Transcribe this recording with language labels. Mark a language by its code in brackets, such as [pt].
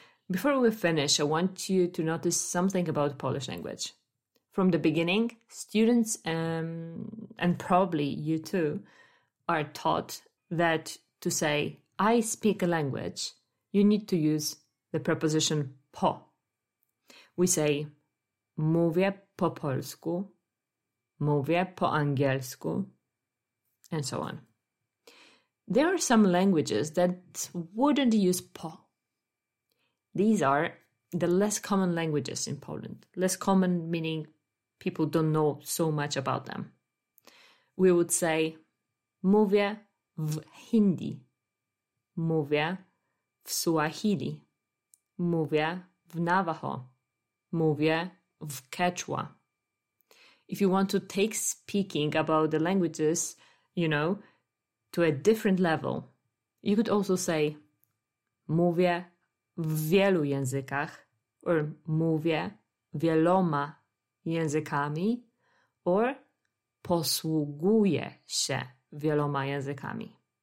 [en] Before we finish, I want you to notice something about Polish language. From the beginning, students, and probably you too, are taught that to say, I speak a language, you need to use the preposition po. We say, [pl] mówię po polsku, mówię po angielsku, [en] and so on. There are some languages that wouldn't use po. These are the less common languages in Poland. Less common meaning people don't know so much about them. We would say, [pl] mówię w Hindi, mówię w Swahili, mówię w Navajo, mówię w Quechua. [en] If you want to take speaking about the languages, you know, to a different level, you could also say [pl] mówię w wielu językach, [en] or [pl] mówię wieloma językami, [en] or [pl] posługuję się wieloma językami.